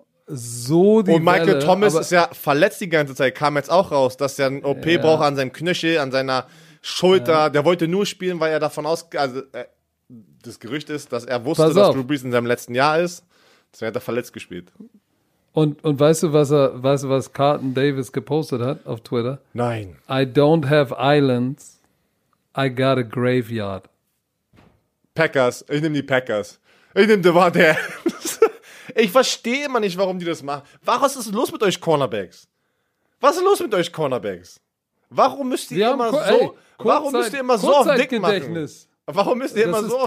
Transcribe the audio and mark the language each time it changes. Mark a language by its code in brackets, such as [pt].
[de] Und Michael Thomas ist ja verletzt die ganze Zeit, kam jetzt auch raus, dass er ein OP braucht an seinem Knöchel, an seiner Schulter. Ja. Der wollte nur spielen, weil er davon das Gerücht ist, dass er wusste, dass Drew Brees in seinem letzten Jahr ist. Deswegen hat er verletzt gespielt. Und weißt du, was Carlton Davis gepostet hat auf Twitter? Nein. [en] I don't have islands, I got a graveyard. [de] Packers, ich nehme die Packers. Ich nehme Devante Adams. Ich verstehe immer nicht, warum die das machen. Was ist los mit euch Cornerbacks? Warum müsst ihr immer so? Warum müsst ihr immer so auf Dick machen? Warum müsst ihr immer so auf Dick machen?